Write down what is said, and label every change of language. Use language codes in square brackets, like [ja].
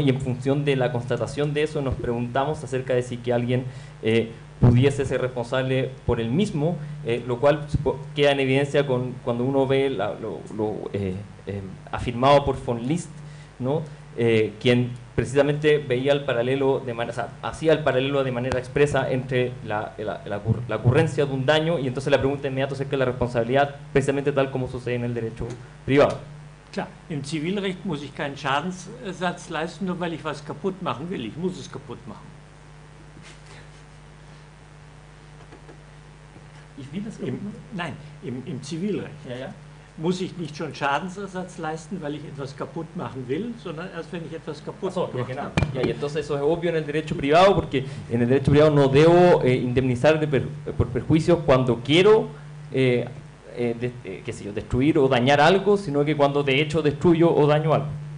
[es] Y en función de la constatación de eso nos preguntamos acerca de si que alguien pudiese ser responsable por el mismo, lo cual queda en evidencia cuando uno ve lo afirmado por von Liszt, ¿no? Quien precisamente veía el paralelo hacía el paralelo de manera expresa entre la ocurrencia de un daño y entonces la pregunta inmediata es que la responsabilidad precisamente tal como sucede en el derecho privado. [de] Klar, im Zivilrecht muss ich keinen Schadensersatz leisten, nur weil ich was kaputt machen will. Ich muss es kaputt machen. Ich will das kaputt machen? Nein, im Zivilrecht muss ich nicht schon Schadensersatz leisten, weil ich etwas kaputt machen will, sondern erst wenn ich etwas kaputt mache. Ja, genau. [es] Ja, y entonces eso es obvio en el derecho privado, porque en el derecho privado no debo indemnizar por perjuicios cuando quiero destruir o dañar algo, sino que cuando de hecho destruyo o daño algo.